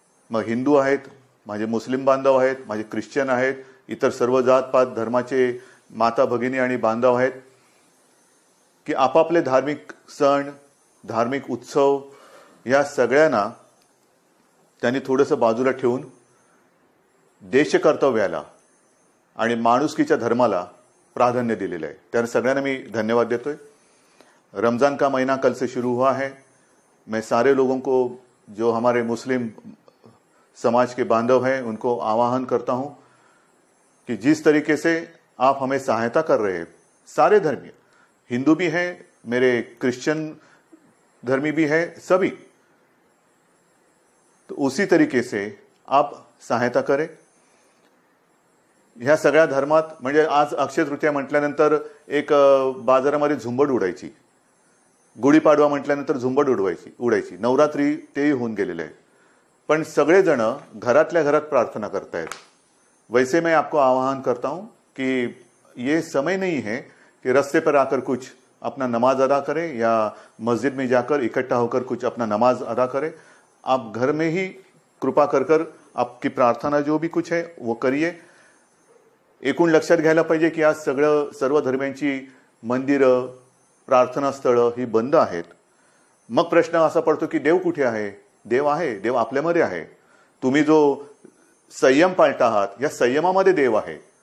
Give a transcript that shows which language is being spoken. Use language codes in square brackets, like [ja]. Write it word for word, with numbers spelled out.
[mr] मग हिंदू आहेत, माझे मुस्लिम बांधव आहेत, माझे ख्रिश्चन आहेत, इतर सर्व जातपात धर्माचे माता भगिनी आणि बांधव आहेत की आपापले धार्मिक सण, धार्मिक उत्सव या सगळ्यांना त्यांनी थोडंसं बाजूला ठेवून देशकर्तव्याला आणि माणुसकीच्या धर्माला प्राधान्य दिलेलं आहे. त्याने सगळ्यांना मी धन्यवाद देतोय. [hi] रमज़ान का महीना कल से शुरू हुआ है. मैं सारे लोगों को, जो हमारे मुस्लिम समाज के बांधव हैं, उनको आह्वान करता हूं कि जिस तरीके से आप हमें सहायता कर रहे हैं, सारे धर्मीय, हिंदू भी हैं, मेरे क्रिश्चियन धर्मी भी हैं, सभी, तो उसी तरीके से आप सहायता करें. [mr] ह्या सगळ्या धर्मात, म्हणजे आज अक्षय तृतीया म्हटल्यानंतर एक बाजारामध्ये झुंबड उडायची, गुढीपाडवा म्हटल्यानंतर झुंबड उडवायची उडायची नवरात्री तेही होऊन गेलेलं आहे. पण सगळेजण घरातल्या घरात प्रार्थना करतायत. [hi] वैसे मैं आपको आह्वान करता हूं कि ये समय नहीं है कि रस्ते पर आकर कुछ अपना नमाज अदा करें या मस्जिद में जाकर इकट्ठा होकर कुछ अपना नमाज अदा करें. आप घर में ही कृपा कर कर आपकी प्रार्थना जो भी कुछ है वो करिए. [mr] एकूण लक्षात घ्यायला पाहिजे की आज सगळं सर्व धर्मांची मंदिरं, प्रार्थनास्थळं ही बंद आहेत. मग प्रश्न असा पडतो की देव कुठे आहे? देव आहे, देव आपल्यामध्ये आहे. तुम्ही जो संयम पाळता आहात या संयमामध्ये देव आहे.